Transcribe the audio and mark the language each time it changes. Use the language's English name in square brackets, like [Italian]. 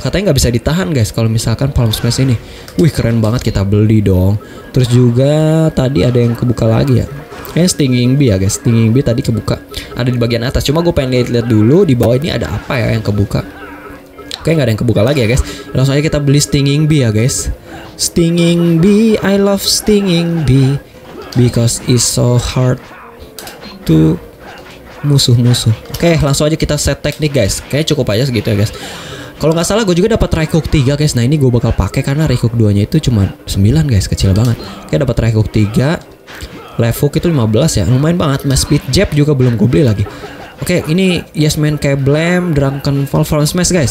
[Indonesian] Katanya gak bisa ditahan guys kalau misalkan Palm Smash ini. Wih, keren banget, kita beli dong. Terus juga tadi ada yang kebuka lagi ya. Kayaknya Stinging Bee ya guys. Stinging Bee tadi kebuka, ada di bagian atas. Cuma gue pengen lihat-lihat dulu di bawah ini ada apa ya yang kebuka. Kayaknya nggak ada yang kebuka lagi ya guys. Langsung aja kita beli Stinging Bee ya guys. [English] Stinging Bee, I love Stinging Bee because it's so hard to [Indonesian] musuh-musuh. Oke, langsung aja kita set teknik guys. Kayaknya cukup aja segitu ya guys. Kalau nggak salah gue juga dapat Raikouk 3 guys. Nah ini gue bakal pakai karena Raikouk 2 nya itu cuma 9 guys, kecil banget. Oke, dapat Raikouk 3. Left Hook itu 15 ya, lumayan banget. Mass Speed Jab juga belum gue beli lagi. Oke, ini Yes Man Keblem, Drunken Fall, Palm Smash guys.